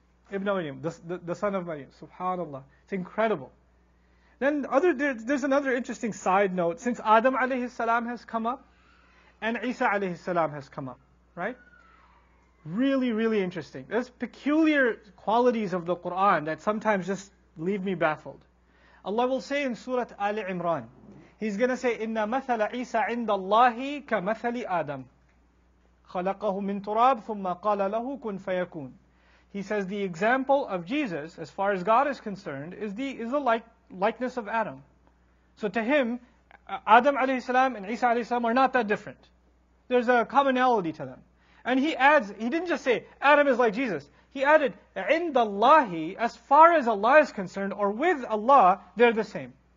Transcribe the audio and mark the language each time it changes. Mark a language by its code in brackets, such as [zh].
[en] Ibn Maryam, the son of Maryam, subhanAllah. It's incredible. Then there's another interesting side note. Since Adam alayhi salam has come up, and Isa alayhi salam has come up, right? Really, really interesting. There's peculiar qualities of the Qur'an that sometimes just leave me baffled. Allah will say in Surah Ali Imran, He's going to say, [ar] إِنَّ مَثَلَ عِيسَى عِنْدَ اللَّهِ كَمَثَلِ آدَمِ خَلَقَهُ مِنْ تُرَابْ ثُمَّ قَالَ لَهُ كُنْ فَيَكُونَ. [en] He says the example of Jesus, as far as God is concerned, is the likeness of Adam. So to him, Adam alayhi salam and Isa alayhi salam are not that different. There's a commonality to them. And he adds, he didn't just say, Adam is like Jesus. He added, [ar] عند الله, [en] as far as Allah is concerned, or with Allah, they're the same.